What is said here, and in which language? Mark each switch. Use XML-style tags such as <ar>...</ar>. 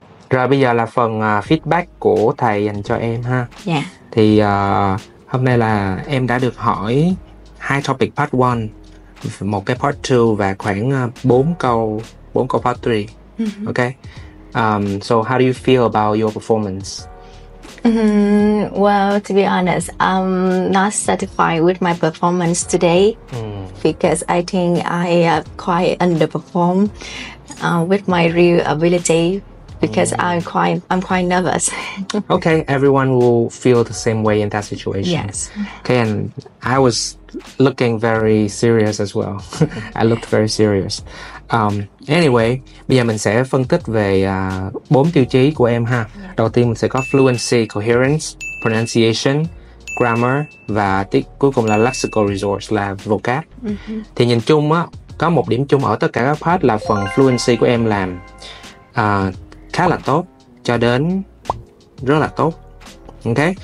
<vi>Rồi bây giờ là phần feedback của thầy dành cho em ha. Yeah. Thì hôm nay là em đã được hỏi hai topic part 1, một cái part 2 và khoảng 4 câu part 3. Mm-hmm.</vi> <en>Okay. So how do you feel about your performance? Well, to be honest, I'm not satisfied with my performance today because I think I quite underperformed with my real ability because I'm quite nervous. Okay, everyone will feel the same way in that situation. Yes. Okay, and I was looking very serious as well. I looked very serious.</en> <vi>Anyway, bây giờ mình sẽ phân tích về 4 tiêu chí của em ha. Đầu tiên mình sẽ có fluency, coherence, pronunciation, grammar và cuối cùng là lexical resource, là vocab. Thì nhìn chung á, có một điểm chung ở tất cả các part là phần fluency của em làm khá là tốt cho đến rất là tốt. Ok.</vi>